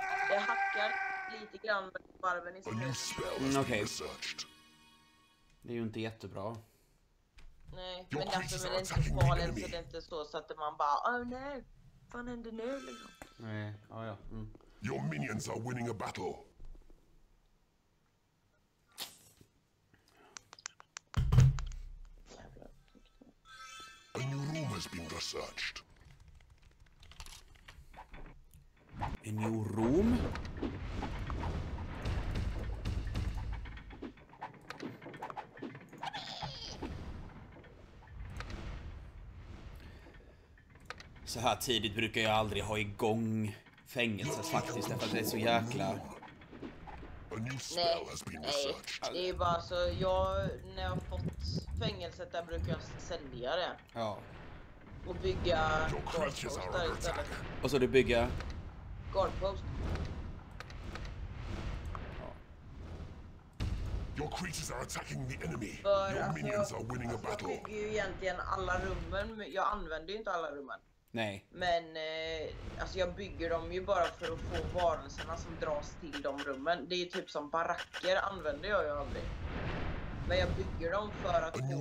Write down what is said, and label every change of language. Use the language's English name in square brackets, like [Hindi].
[Swedish] Jag hackar lite grann med varven i streamen. Mm, okej. Det är ju inte jättebra. Nej, men därför är det inte farligt så det är inte så att man bara, oh nej, vad fan händer nu? Nej, ja. [English] Your minions are winning a battle. A new room has been researched. A new room? [Swedish] Så här tidigt brukar jag aldrig ha igång fängelset faktiskt, därför att det är så jäkla... Nej, det är bara så, när jag har fått fängelset där brukar jag sälja det. Ja. Och bygga golfkostar istället. Och så du bygga? [English] Guardpost. Your creatures are attacking the enemy. Your minions are winning a battle. [Swedish] Jag bygger ju egentligen alla rummen. Jag använder ju inte alla rummen. Nej. Men jag bygger dem ju bara för att få varelserna som dras till de rummen. Det är ju typ som baracker använder jag ju aldrig. Men jag bygger dem för att